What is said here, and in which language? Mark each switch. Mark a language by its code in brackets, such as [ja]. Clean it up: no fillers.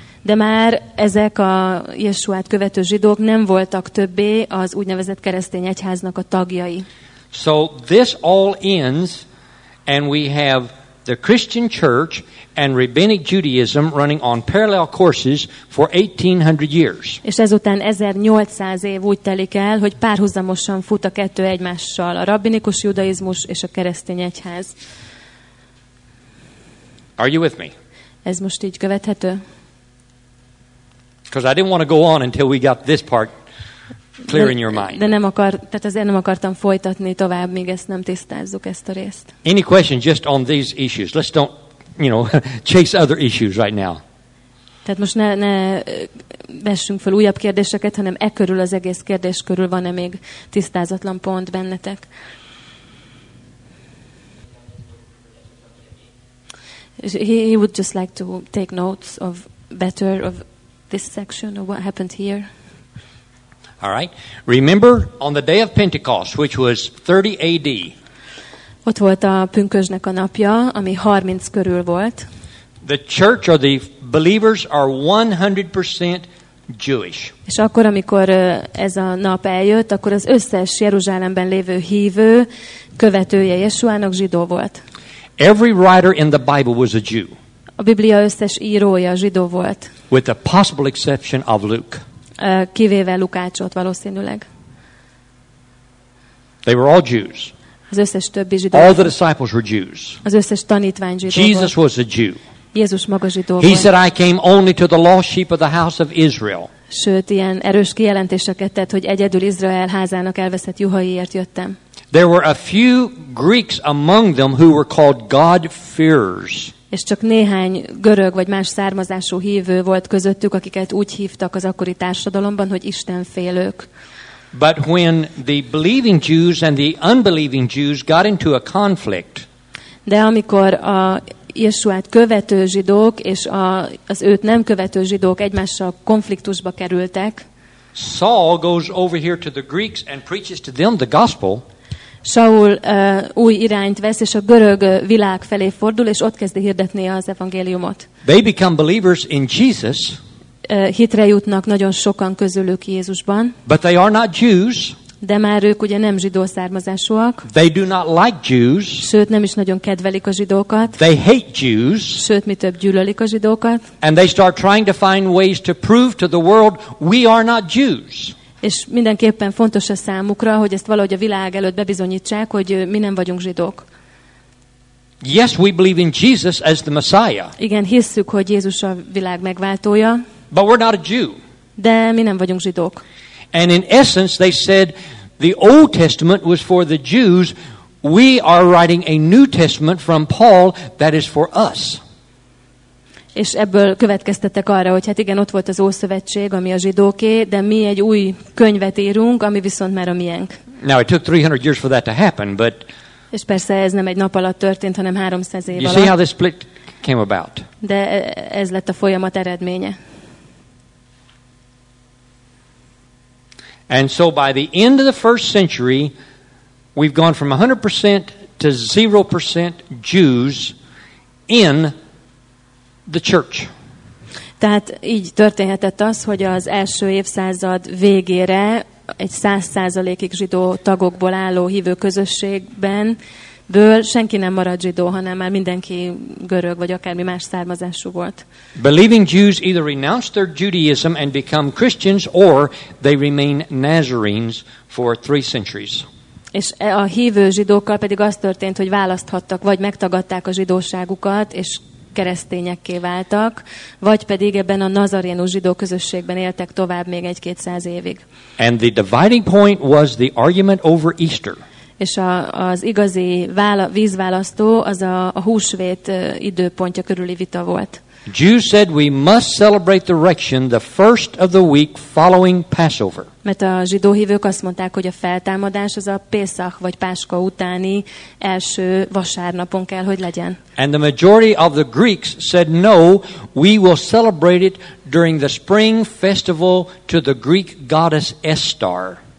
[hu] De már ezek a Jesuát követő zsidók nem voltak többé az úgynevezett keresztény egyháznak a tagjai. [en] So this all ends and we have the Christian church and rabbinic Judaism running on parallel courses for 1800 years. [hu] És ezután 1800 év úgy telik el, hogy párhuzamosan fut a kettő egymással, a rabbinikus judaizmus és a keresztény egyház. [en] Are you with me? [hu] Ez most így követhető? [en] Because I didn't want to go on until we got this part clear in your mind. [hu] De nem akar, tehát azért nem akartam folytatni tovább, míg ezt nem tisztázzuk ezt a részt. [en] Any questions just on these issues? Let's don't, you know, chase other issues right now. [hu] Tehát most ne vessünk fel újabb kérdéseket, hanem e körül az egész kérdés körül van-e még tisztázatlan pont bennetek? [en] He would just like to take notes of better of this section of what happened here. All right. Remember on the day of Pentecost, which was 30 AD. [hu] Ott volt a pünkösdnek a napja, ami 30 körül volt. [en] The church or the believers are 100% Jewish. [hu] És akkor, amikor ez a nap eljött, akkor az összes Jeruzsálemben lévő hívő követője Jesuának zsidó volt. [en] Every writer in the Bible was a Jew. [hu] A Biblia összes írója zsidó volt. [en] With the possible exception of Luke. [hu] Kivéve Lukácsot valószínűleg. [en] They were all Jews. [hu] Az összes többi zsidó. [en] All [hu] volt. [en] The disciples were Jews. [hu] Az összes tanítvány zsidó. [en] Jesus [hu] volt. [en] Was a Jew. [hu] Jézus maga zsidó. [en] He [hu] volt. [en] Said, "I came only to the lost sheep of the house of Israel." [hu] Sőt, ilyen erős kijelentéseket tett, hogy egyedül Izrael házának elveszett juhaiért jöttem. [en] There were a few Greeks among them who were called God-fearers. [hu] És csak néhány görög vagy más származású hívő volt közöttük, akiket úgy hívtak az akkori társadalomban, hogy Istenfélők. [en] But when the believing Jews and the unbelieving Jews got into a conflict, [hu] de amikor a Jesuát követő zsidók és az őt nem követő zsidók egymással konfliktusba kerültek. [en] Saul goes over here to the Greeks and preaches to them the gospel. [hu] Saul új irányt vesz és a görög világ felé fordul és ott kezdi hirdetni az evangéliumot. [en] They become believers in Jesus. [hu] Hitre jutnak nagyon sokan közülük Jézusban. [en] But they are not Jews. [hu] De már ők ugye nem zsidó származásúak. [en] They do not like Jews. [hu] Sőt, nem is nagyon kedvelik a zsidókat. [en] They hate Jews. [hu] Sőt, mi több gyűlölik a zsidókat. [en] And they start trying to find ways to prove to the world we are not Jews. [hu] És mindenképpen fontos a számukra, hogy ezt valahogy a világ előtt bebizonyítsák, hogy mi nem vagyunk zsidók. [en] Yes, we believe in Jesus as the Messiah. [hu] Igen, hisszük, hogy Jézus a világ megváltója. [en] But we're not a Jew. [hu] De mi nem vagyunk zsidók. [en] And in essence, they said the Old Testament was for the Jews. We are writing a New Testament from Paul that is for us. [hu] És ebből következtettek arra, hogy hát igen, ott volt az Ószövetség, ami a zsidóké, de mi egy új könyvet írunk, ami viszont már a miénk. [en] Now it took 300 years for that to happen, but. [hu] És persze ez nem egy nap alatt történt, hanem 300 év alatt. [en] You see how this split came about. [hu] De ez lett a folyamat eredménye. [en] And so by the end of the first century, we've gone from 100% to 0% Jews in the church. [hu] Tehát így történhetett az, hogy az első évszázad végére egy 100%-ig zsidó tagokból álló hívő közösségben ből senki nem maradt zsidó, hanem már mindenki görög vagy akármi más származású volt. [en] Believing Jews either renounce their Judaism and become Christians, or they remain Nazarenes for three centuries. [hu] És a hívő zsidókkal pedig az történt, hogy választhattak, vagy megtagadták a zsidóságukat, és keresztényekké váltak, vagy pedig ebben a nazarénus zsidó közösségben éltek tovább még egy-két száz évig. [en] And the dividing point was the argument over Easter. [hu] És az igazi vízválasztó az a húsvét időpontja körüli vita volt. [en] Jews said we must celebrate the resurrection the first of the week following Passover. [hu] Mert a zsidó hívők azt mondták, hogy a feltámadás az a Pészach vagy Páska utáni első vasárnapon kell, hogy legyen. [en] And the majority of the Greeks said no, we will celebrate it during the spring festival to the Greek goddess Esther.